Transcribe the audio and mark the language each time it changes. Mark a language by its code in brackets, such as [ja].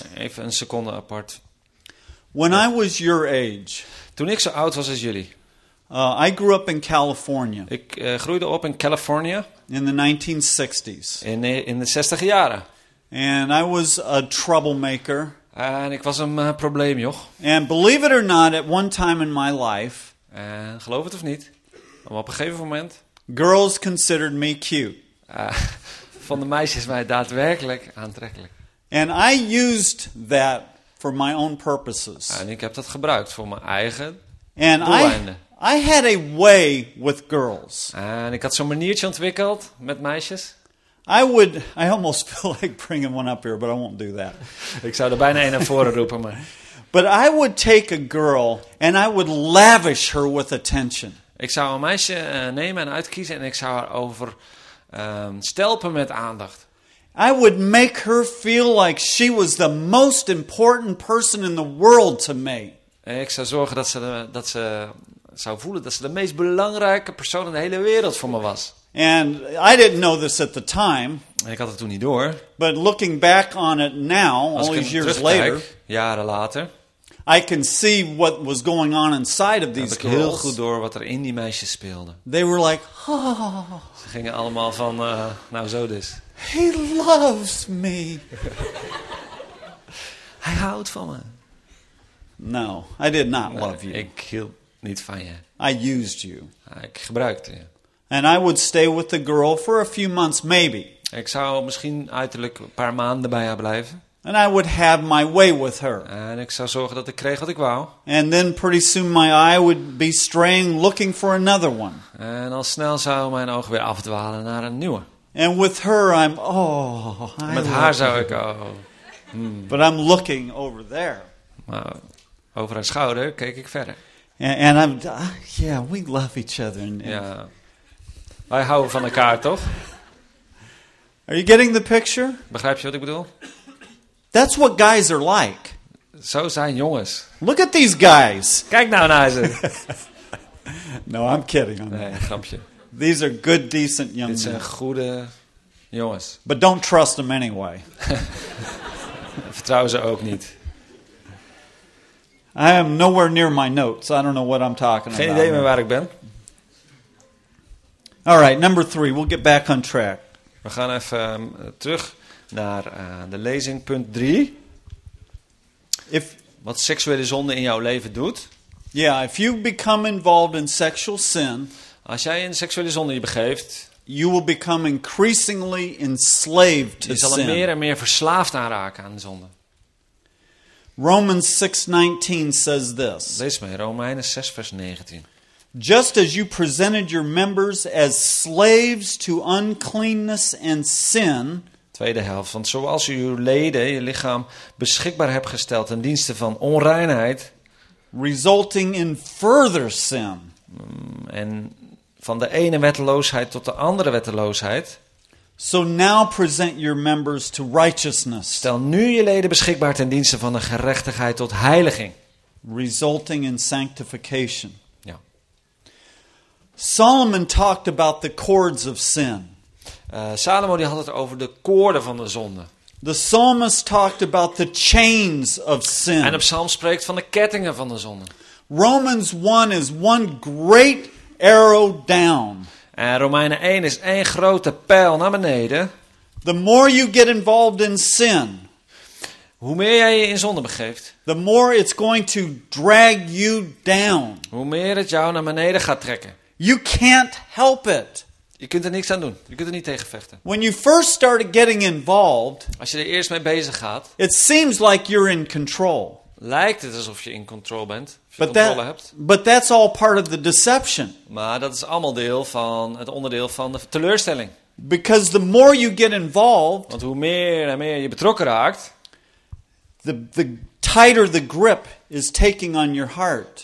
[nl] Okay, even een seconde apart. [en] When I was your age. [nl] Toen ik zo oud was als jullie. [en] I grew up in California. [nl] Ik groeide op in California. [en] In the 1960s. [nl] In de 60e jaren. [en] And I was a troublemaker. [nl] En ik was een probleemjoch. [en] And believe it or not, at one time in my life. [nl] En geloof het of niet. Maar op een gegeven moment. [en] Girls considered me cute. [nl] Van de meisjes mij daadwerkelijk aantrekkelijk. [en] And I used that for my own purposes. [nl] En ik heb dat gebruikt voor mijn eigen doeleinden. [en] I had a way with girls. [nl] En ik had zo'n maniertje ontwikkeld met meisjes. [en] I almost feel like bringing one up here, but I won't do that. [nl] Ik zou er bijna een naar voren roepen, maar. [en] But I would take a girl and I would lavish her with attention. [nl] Ik zou een meisje nemen en uitkiezen en ik zou haar over stelpen met aandacht. [en] I would make her feel like she was the most important person in the world to me. [nl] Ik zou zorgen dat ze zou voelen dat ze de meest belangrijke persoon in de hele wereld voor me was. [en] And I didn't know this at the time. [nl] Ik had het toen niet door. [en] But looking back on it now, all these years later, [nl] jaren later, [en] I can see what was going on inside of these girls. [nl] Heb ik heel goed door wat er in die meisjes speelde. [en] They were like, oh. [nl] Ze gingen allemaal van, nou zo dus. [en] He loves me. [nl] Hij houdt van me. [en] No, I did not love you. [nl] Ik hield niet van je. [en] I used you. [nl] Ik gebruikte je. [en] And I would stay with the girl for a few months, maybe. [nl] Ik zou misschien uiterlijk een paar maanden bij haar blijven. [en] And I would have my way with her. [nl] En ik zou zorgen dat ik kreeg wat ik wou. [en] And then pretty soon my eye would be straying, looking for another one. [nl] En al snel zou mijn oog weer afdwalen naar een nieuwe. [en] And with her, I'm oh. [nl] Met haar zou ik oh. [en] But I'm looking over there. [nl] Maar over haar schouder keek ik verder. [en] And I'm yeah, we love each other. [nl] Ja. Wij houden van elkaar, toch? [en] Are you getting the picture? [nl] Begrijp je wat ik bedoel? [en] That's what guys are like. [nl] Zo zijn jongens. [en] Look at these guys. [nl] Kijk nou naar ze. [en] No, I'm kidding. [nl] Nee, grapje. [en] These are good, decent young men. [nl] Dit zijn goede jongens. [en] But don't trust them anyway. [nl] Vertrouw ze ook niet. [en] I am nowhere near my notes. I don't know what I'm talking [nl] Geen [en] about. [nl] Geen idee meer waar ik ben. [en] All right, number three. We'll get back on track. [nl] We gaan even terug naar de lezing, punt 3. [en] If [nl] wat seksuele zonde in jouw leven doet. [en] Yeah, if you become involved in sexual sin. [nl] Als jij in seksuele zonde je begeeft. [en] You will become increasingly enslaved to sin. [nl] Je zal er meer en meer verslaafd aan raken aan de zonde. [en] Romans 6:19 says this. [nl] Lees mee, Romeinen 6 vers 19. [en] Just as you presented your members as slaves to uncleanness and sin. [nl] Tweede helft, want zoals u uw leden, je lichaam, beschikbaar hebt gesteld ten dienste van onreinheid. [en] Resulting in further sin. [nl] En van de ene wetteloosheid tot de andere wetteloosheid. [en] So now present your members to righteousness. [nl] Stel nu je leden beschikbaar ten dienste van de gerechtigheid tot heiliging. [en] Resulting in sanctification. Solomon talked about the cords of sin. [nl] Salomo die had het over de koorden van de zonde. [en] The psalmist talked about the chains of sin. [nl] En de psalm spreekt van de kettingen van de zonde. [en] Romans 1 is one great arrow down. [nl] En Romeinen 1 is één grote pijl naar beneden. [en] The more you get involved in sin. [nl] Hoe meer jij je in zonde begeeft. [en] The more it's going to drag you down. [nl] Hoe meer het jou naar beneden gaat trekken. [en] You can't help it. [nl] Je kunt er niks aan doen. Je kunt er niet tegen vechten. [en] When you first started getting involved, [nl] als je er eerst mee bezig gaat, [en] it seems like you're in control. [nl] Lijkt het alsof je in control bent, of je controle hebt. [en] But that's all part of the deception. [nl] Maar dat is allemaal deel van het onderdeel van de teleurstelling. [en] Because the more you get involved, [nl] want hoe meer en meer je betrokken raakt, [en] the tighter the grip is taking on your heart.